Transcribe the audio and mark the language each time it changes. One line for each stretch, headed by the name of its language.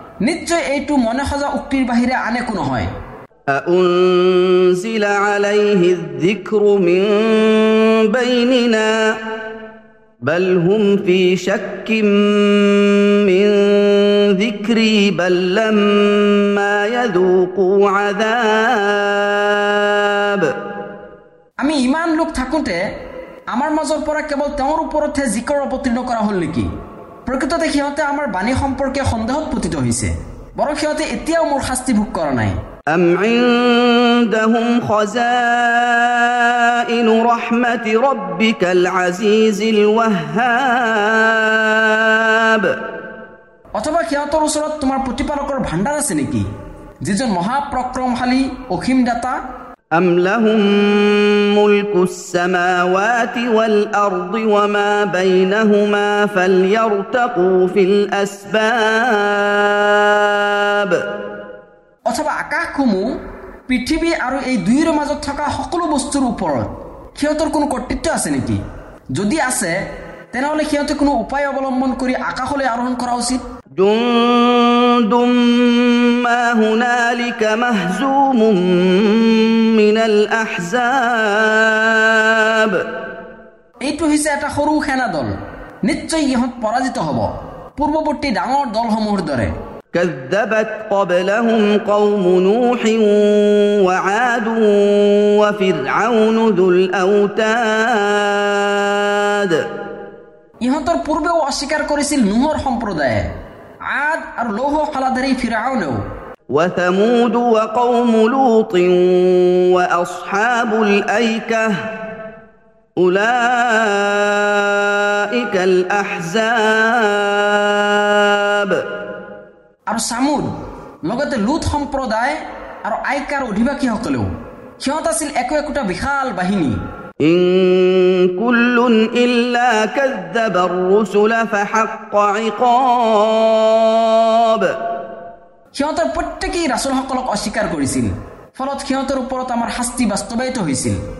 Assamese: নিশ্চয় এইটো মনে সজা উক্তিৰ বাহিৰে আন একো নহয়।
Arabic: أأنزل عليه الذكر من بيننا بل هم في شك من ذكري بل لما يذوقوا عذاب
Assamese: আমি ইমান লোক থাকোঁতে আমাৰ মাজৰ পৰা কেৱল তেওঁৰ ওপৰতহে জিকৰ অৱতীৰ্ণ কৰা হ'ল নেকি? প্ৰকৃততে সিহঁতে আমাৰ বাণী সম্পৰ্কে সন্দেহত পতিত হৈছে, বৰং সিহঁতে এতিয়াও মোৰ শাস্তি ভোগ কৰা নাই।
Arabic: أَمْ عِندَهُمْ خَزَائِنُ رَحْمَةِ رَبِّكَ الْعَزِيزِ الْوَهَّابِ
Assamese: অথবা সিহঁতৰ ওচৰত তোমাৰ প্ৰতিপালকৰ ভাণ্ডাৰ আছে নেকি, যিজন মহাপ্ৰক্ৰমশালী অসীম দাতা?
Arabic: أَمْ لَهُمْ مُلْكُ السَّمَاوَاتِ وَالْأَرْضِ وَمَا بَيْنَهُمَا فَلْيَرْتَقُوا فِي الْأَسْبَابِ
Assamese: অথবা আকাশসমূহ, পৃথিৱী আৰু এই দুয়োৰ মাজত থকা সকলো বস্তুৰ ওপৰত সিহঁতৰ কোনো কৰ্তৃত্ব আছে নেকি? যদি আছে তেনেহ'লে সিহঁতে কোনো উপায় অৱলম্বন কৰি আকাশলৈ আৰোহণ কৰা উচিত।
Arabic: জুন্দুম মা হুনালিকা মাহজুমুম মিনাল আহজাব
Assamese: এইটো হৈছে এটা সৰু সেনা দল, নিশ্চয় ইহঁত পৰাজিত হ'ব পূৰ্ববৰ্তী ডাঙৰ দলসমূহৰ দৰে।
Arabic: كذبت قبلهم قوم نوح وعاد وفرعون ذو الأوتاد
Assamese: ইহঁতৰ পূৰ্বেও অস্বীকাৰ কৰিছিল নূহৰ সম্প্ৰদায়ে, আদ আৰু লৌহ কালাধাৰী ফিৰাউনেও।
Arabic: وثمود وقوم لوط وأصحاب الأيكة أولئك الأحزاب
Assamese: আৰু চামুদ লগতে লুট সম্প্ৰদায় আৰু আইকাৰ অধিবাসীসকলেও, সিহঁত আছিল একো একোটা বিশাল বাহিনী।
Arabic: ইন কুল্লুন ইল্লা কাযাবা আর-রুসুল ফাহাক্কা ইকাব
Assamese: সিহঁতৰ প্ৰত্যেকেই ৰাসূলসকলক অস্বীকাৰ কৰিছিল, ফলত সিহঁতৰ ওপৰত আমাৰ শাস্তি বাস্তৱায়িত হৈছিল।